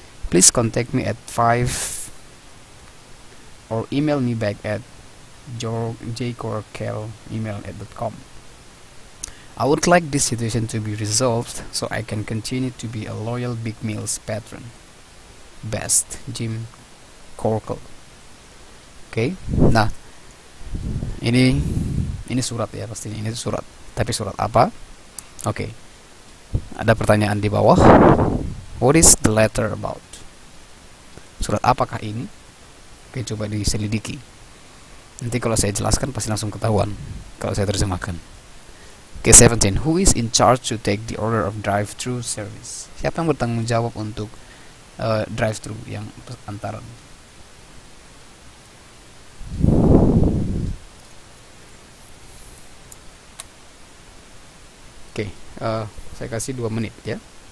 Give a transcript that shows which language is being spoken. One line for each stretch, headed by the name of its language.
English: Please contact me at 5 or email me back at jcorkel@gmail.com. I would like this situation to be resolved so I can continue to be a loyal Big Meals patron. Best, Jim Corkel.
Indonesian: Oke, nah ini surat ya, pastinya ini surat, tapi surat apa? Oke, ada pertanyaan di bawah.
English: What is the letter about?
Indonesian: Surat apakah ini? Oke, coba diselidiki. Nanti kalau saya jelaskan pasti langsung ketahuan kalau saya terjemahkan. Oke, 17.
English: Who is in charge to take the order of drive-thru service?
Indonesian: Siapa yang bertanggung jawab untuk drive-thru yang antaran? Saya kasih 2 menit ya.